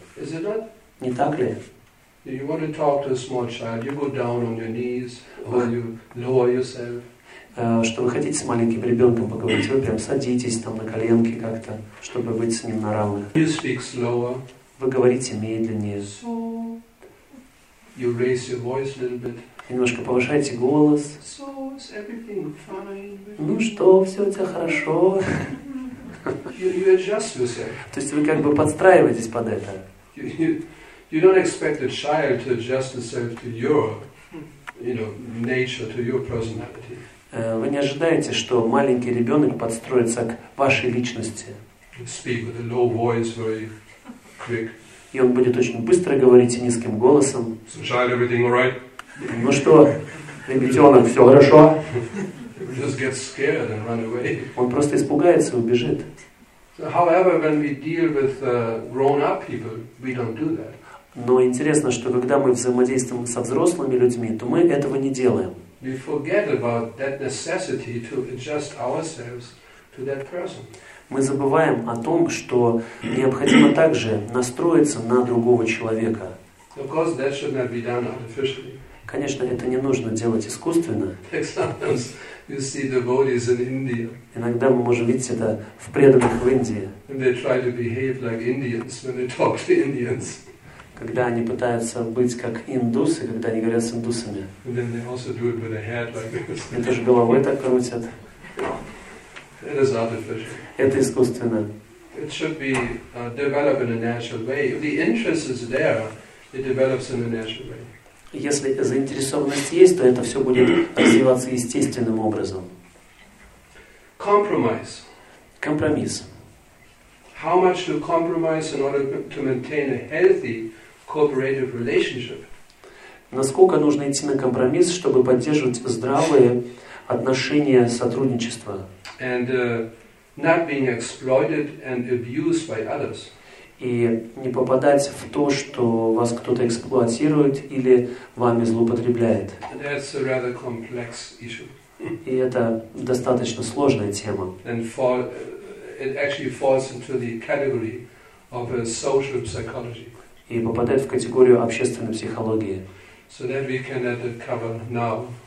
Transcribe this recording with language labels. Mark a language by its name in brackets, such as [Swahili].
[English] Is it not? [Russian] Не так ли? [English] You want to talk to a small child, you go down on your knees, or you lower yourself. [Russian] Что вы хотите с маленьким ребенком поговорить, вы прям садитесь там на коленки как-то, чтобы быть с ним на равных. [English] You speak slower. [Russian] Вы говорите медленнее. [English] So you raise your voice a little bit. [Russian] Немножко повышайте голос. [English] So is everything fine with you? [Russian] Ну что, все у тебя хорошо. [English] You adjust yourself. [Russian] То есть вы как бы подстраиваетесь под это. [English] You don't expect a child to adjust itself to your, nature, to your personality. [Russian] Вы не ожидаете, что маленький ребенок подстроится к вашей личности. [English] Speak with a low voice, very quick. [Russian] И он будет очень быстро говорить и низким голосом. [English] So child, everything all right? [Russian] Ну что, ребятенок, все хорошо? [English] Just get scared and run away. [Russian] Он просто испугается и убежит. [English] However, when we deal with grown-up people, we don't do that. [Russian] Но интересно, что когда мы взаимодействуем со взрослыми людьми, то мы этого не делаем. [English] We forget about that necessity to adjust ourselves to that person. [Russian] Мы забываем о том, что необходимо также настроиться на другого человека. [English] Of course, that should not be done artificially. [Russian] Конечно, это не нужно делать искусственно. [English] You see the devotees in India. [Russian] Иногда мы можем видеть это в преданных в Индии. [English] And they try to behave like Indians when they talk to Indians. [Russian] Когда они пытаются быть как индусы, когда они говорят с индусами. [English] And then they also do it with a hat like this. [Russian] Это же головой так крутят. [English] It is artificial. [Russian] Это искусственно. [English] It should be developed in a natural way. If the interest is there, it develops in a natural way. [Russian] Если заинтересованность есть, то это все будет развиваться естественным образом. [English] Compromise. [Russian] Компромисс. [English] How much to compromise in order to maintain a healthy cooperative relationship? [Russian] Насколько нужно идти на компромисс, чтобы поддерживать здравые отношения сотрудничества? [English] And not being exploited and abused by others. [Russian] И не попадать в то, что вас кто-то эксплуатирует или вами злоупотребляет. [English] That's a rather complex issue. [Russian] И это достаточно сложная тема. [English] And it actually falls into the category of a social psychology. [Russian] И попадает в категорию общественной психологии. [English] So that we cannot cover now.